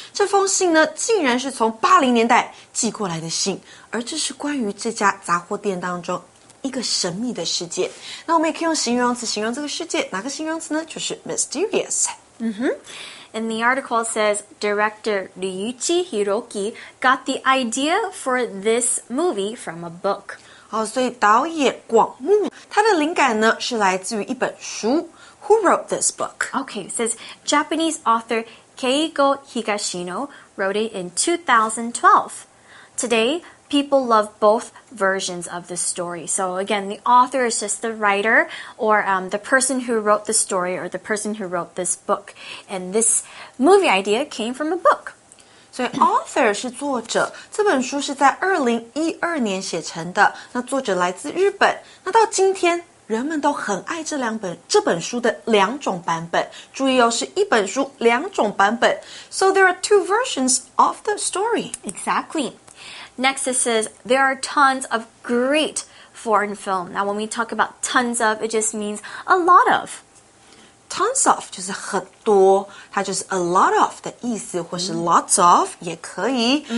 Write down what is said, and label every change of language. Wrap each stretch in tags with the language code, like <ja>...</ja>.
<zh>这封信呢，竟然是从80年代寄过来的信，而这是关于这家杂货店当中一个神秘的事件。那我们也可以用形容词形容这个事件，哪个形容词呢？</zh> <en>就是 mysterious. And the article says, director Ryuichi Hiroki got the idea for this movie from a book.</en> <zh>好，所以导演广木，他的灵感呢，是来自于一本书。</zh> <en>Who wrote this book? Okay, it says, Japanese author Keigo Higashino wrote it in 2012. Today, people love both versions of the story. So again, the author is just the writer or the person who wrote the story or the person who wrote this book. And this movie idea came from a book. So author</en> <zh>是作者，这本书是在2012年写成的。那作者来自日本。那到今天，人们都很爱这本书的两种版本。注意哦，是一本书，两种版本。</zh> <en>So there are two versions of the story. Exactly. Next, it says, there are tons of great foreign film. Now, when we talk about tons of, it just means a lot of.</en> <zh>Tons of 就是很多，它就是</zh> <en>a lot of</en> <zh>的意思，或是</zh> <en>lots of</en> <zh>也可以。</zh>